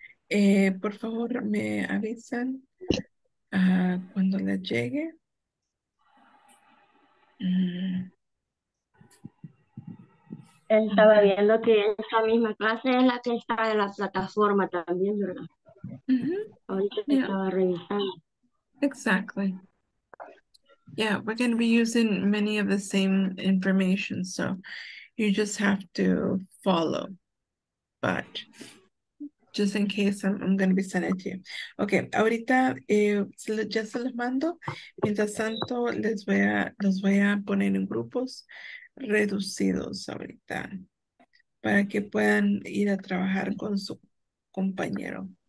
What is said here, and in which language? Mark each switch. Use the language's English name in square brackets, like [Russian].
[Spanish] Okay. Por favor, me avisan cuando les llegue. Estaba viendo que esa misma clase es la que está en la plataforma también, ¿verdad? Uh-huh. Ahorita estaba revisando. [English] Exactly. Yeah, we're going to be using many of the same information, so you just have to follow. But just in case, I'm going to be sending it to you. Okay, [Spanish] ahorita ya se los mando. Mientras tanto, los voy a poner en grupos reducidos ahorita para que puedan ir a trabajar con su compañero.